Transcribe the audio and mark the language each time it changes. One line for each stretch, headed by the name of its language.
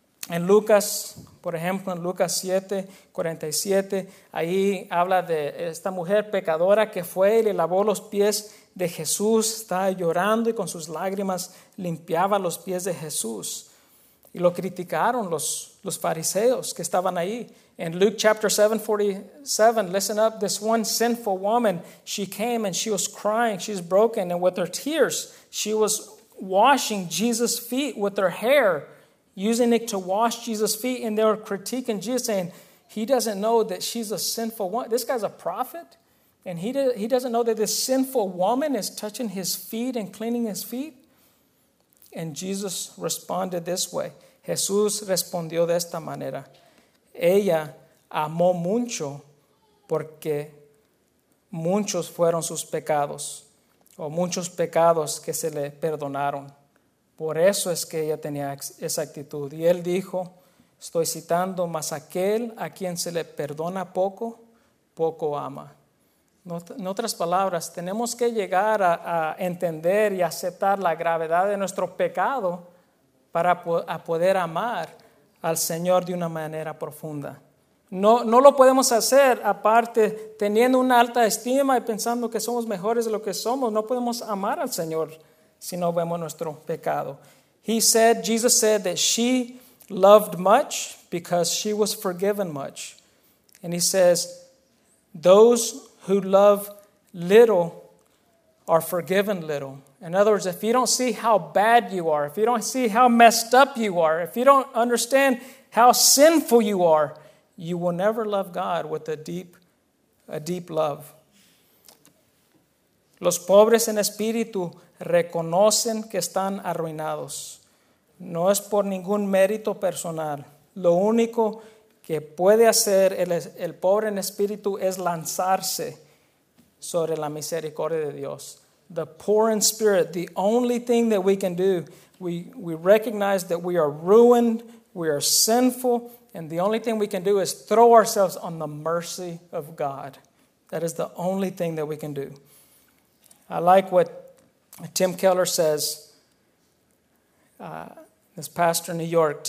Spanish: En Lucas, por ejemplo, en Lucas 7:47, ahí habla de esta mujer pecadora que fue y le lavó los pies de Jesús, estaba llorando y con sus lágrimas limpiaba los pies de Jesús. Y lo criticaron los fariseos que estaban ahí.
English: En Luke chapter 7:47, listen up, this one sinful woman, she came and she was crying, she's broken, and with her tears, she was washing Jesus' feet with her hair, using it to wash Jesus' feet, and they were critiquing Jesus, saying, he doesn't know that she's a sinful woman. This guy's a prophet, and he doesn't know that this sinful woman is touching his feet and cleaning his feet. And Jesus responded this way.
Spanish: Jesús respondió de esta manera. Ella amó mucho porque muchos fueron sus pecados, o muchos pecados que se le perdonaron. Por eso es que ella tenía esa actitud. Y él dijo, estoy citando, mas aquel a quien se le perdona poco, poco ama. En otras palabras, tenemos que llegar a entender y aceptar la gravedad de nuestro pecado para a poder amar al Señor de una manera profunda. No lo podemos hacer aparte teniendo una alta estima y pensando que somos mejores de lo que somos. No podemos amar al Señor si no vemos nuestro pecado.
English: Jesus said that she loved much because she was forgiven much. And he says, those who love little are forgiven little. In other words, if you don't see how bad you are, if you don't see how messed up you are, if you don't understand how sinful you are, you will never love God with a deep love.
Spanish: Los pobres en espíritu reconocen que están arruinados. No es por ningún mérito personal. Lo único que puede hacer el pobre en espíritu es lanzarse sobre la misericordia de Dios.
English: The poor in spirit, the only thing that we can do, we recognize that we are ruined, we are sinful, and the only thing we can do is throw ourselves on the mercy of God. That is the only thing that we can do. I like what Tim Keller says, this pastor in New York.